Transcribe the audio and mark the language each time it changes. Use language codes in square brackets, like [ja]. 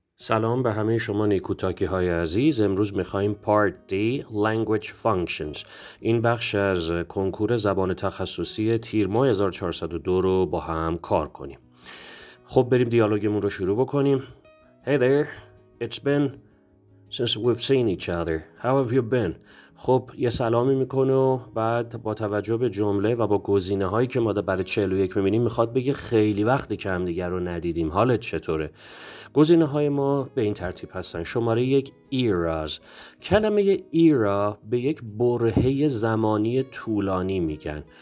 [fa] سلام به همه شما نیکوتاکی های عزیز. امروز میخواییم Part D Language Functions، این بخش از کنکور زبان تخصصی تیر ماه 1402 رو با هم کار کنیم. خب بریم دیالوگمون رو شروع بکنیم. [en] Hey there, it's been since we've seen each other. How have you been? [fa] خب یه سلامی میکنه و بعد با توجه به جمله و با گزینه هایی که ما در برای 41 میبینیم میخواد بگه خیلی وقت که هم دیگر رو ندیدیم، حالت چطوره؟ گزینه های ما به این ترتیب هستن. شماره یک eras. کلمه era به یک برهه زمانی طولانی میگن.